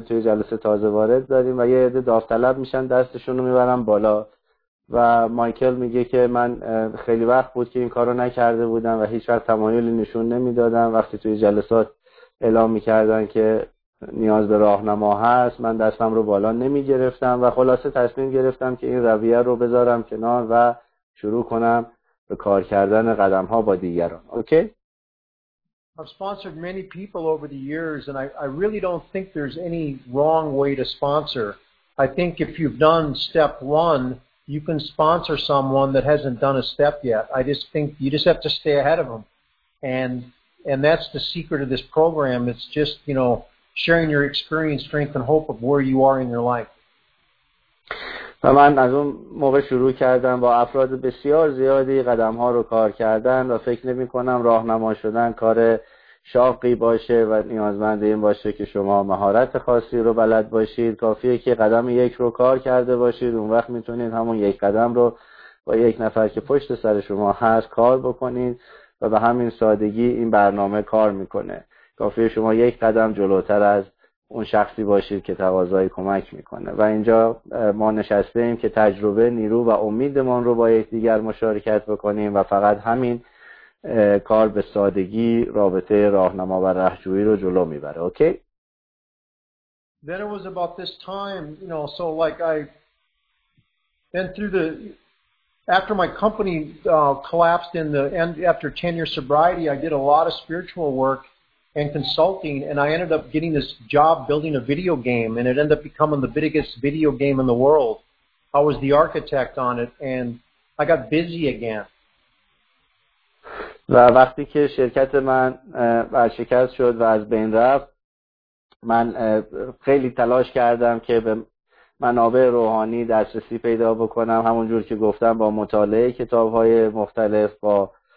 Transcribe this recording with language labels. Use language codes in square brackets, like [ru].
[fa] توی جلسه تازه وارد داریم و یه عده داوطلب میشن دستشون رو میبرم بالا و مایکل میگه که من خیلی وقت بود که این کارو نکرده بودم و هیچ وقت تمایلی نشون نمیدادم. وقتی توی جلسات اعلام میکردن که نیاز به راهنما هست، من دستم رو بالا نمیگرفتم و خلاصه تصمیم گرفتم که این رویه رو بذارم کنار و شروع کنم به کار کردن قدم ها با دیگران. اوکی؟ [en] I've sponsored many people over the years and I really don't think there's any wrong way to sponsor. I think if you've done step one, you can sponsor someone that hasn't done a step yet. I just think you just have to stay ahead of them. And that's the secret of this program. It's just, you know, sharing your experience, strength and hope of where you are in your life. [fa] و من از اون موقع شروع کردم با افراد بسیار زیادی قدم ها رو کار کردن و فکر نمی کنم راه نما شدن کار شاقی باشه و نیازمند این باشه که شما مهارت خاصی رو بلد باشید. کافیه که قدم یک رو کار کرده باشید، اون وقت میتونید همون یک قدم رو با یک نفر که پشت سر شما هست کار بکنید و به همین سادگی این برنامه کار میکنه. کافیه شما یک قدم جلوتر از اون شخصی باشید که تقاضای کمک میکنه و اینجا ما نشسته ایم که تجربه، نیرو و امیدمان رو با یکدیگر مشارکت بکنیم و فقط همین کار به سادگی رابطه راهنما و راهجویی رو جلو میبره. اوکی؟ [en] Then it was about this time, you know, so like I went through the after my company collapsed in the end after 10 year sobriety, I did a lot of spiritual work and consulting, and I ended up getting this job building a video game, and it ended up becoming the biggest video game in the world. I was the architect on it, and I got busy again. [fa] و وقتی که شرکت من ورشکست شد و از بین رفت، من خیلی تلاش کردم که به منابع روحانی دسترسی پیدا بکنم، همونجور که گفتم با مطالعه کتاب‌های مختلف، با